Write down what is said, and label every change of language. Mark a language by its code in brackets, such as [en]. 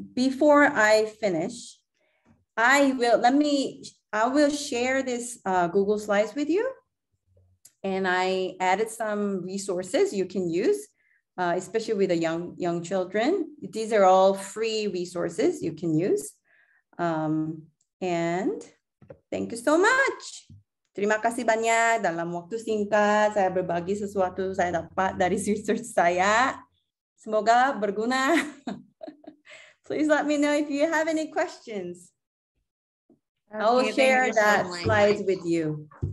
[en] Before I finish, I will share this Google Slides with you. And I added some resources you can use. Especially with the young children. These are all free resources you can use. And thank you so much. [id] Terima kasih banyak dalam waktu singkat. Saya berbagi sesuatu saya dapat dari research saya. Semoga berguna. [en] Please let me know if you have any questions. Okay, I will share that so slide with you.